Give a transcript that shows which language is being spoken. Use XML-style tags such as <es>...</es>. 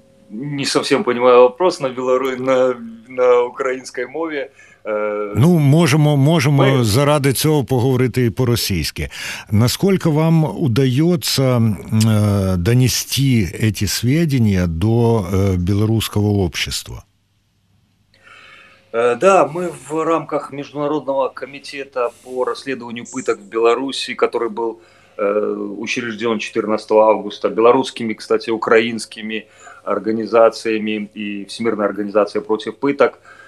<ru>Не совсем понимаю вопрос на на украинской</ru> <uk>мове. Ну, можемо заради цього поговорити і по-російськи. Наскільки вам удається донести ці</uk> <ru>сведения</ru> <uk>до білоруського</uk> <ru>общества? Да, мы в рамках Международного комитета по расследованию пыток в Беларуси, который был учрежден 14 августа белорусскими, кстати, украинскими организациями и Всемирная организация против пыток,</ru>